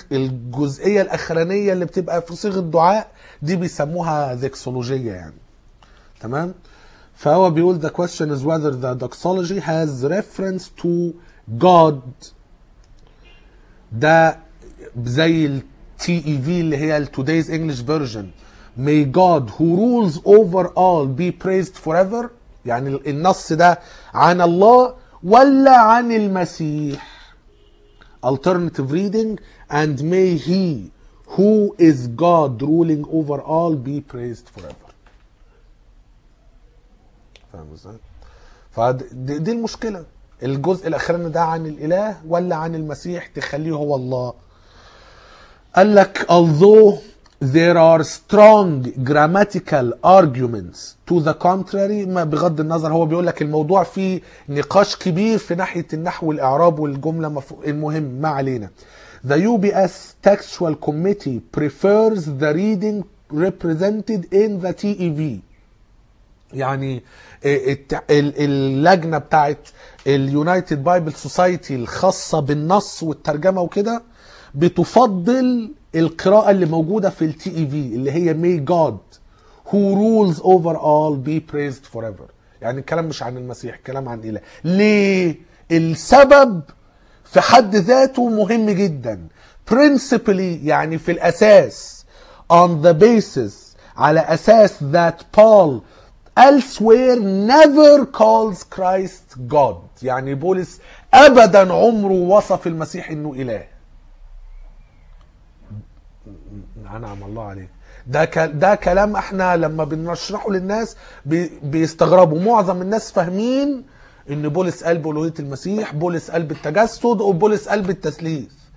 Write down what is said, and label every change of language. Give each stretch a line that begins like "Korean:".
Arabic: الجزئية الأخرانية اللي بتبقى في صيغة دعاء دي بيسموها ذكسولوجية يعني، تمام؟ فهو بيقول
English: the question is whether the doxology has reference to God.
Arabic: ده زي ال TEV اللي هي ال Today's English Version.
English: May God who rules over all be praised forever.
Arabic: يعني النص ده عن الله ولا عن المسيح.
English: Alternative reading: and may he who is God ruling over all be praised forever.
Arabic: فاهم ازاي؟ فدي المشكلة، الجزء الأخراني ده عن الإله ولا عن المسيح تخليه هو الله. قال لك
English: although there are strong grammatical arguments to the contrary،
Arabic: ما بغض النظر، هو بيقول لك الموضوع فيه نقاش كبير في ناحية النحو والإعراب والجملة، المهم ما علينا.
English: The UBS textual committee prefers the reading represented in the TEV.
Arabic: يعني اللجنة بتاعت اليونايتد بايبل سوسايتي الخاصة بالنص والترجمة وكده بتفضل القراءة اللي موجودة في الـ TEV اللي هي
English: May God who rules over all be praised forever.
Arabic: يعني الكلام مش عن المسيح، الكلام عن إله. ليه؟ السبب في حد ذاته مهم جدا.
English: Principally
Arabic: يعني في الأساس،
English: on the basis،
Arabic: على أساس،
English: that Paul elsewhere never calls Christ God.
Arabic: يعني بولس أبدا عمره وصف المسيح إنه إله. نعم الله عليه. ده كلام احنا لما بنشرحه للناس بيستغربوا، معظم الناس فاهمين إن بولس قال بألوهية المسيح، بولس قال بالتجسد، وبولس قال بالتثليث.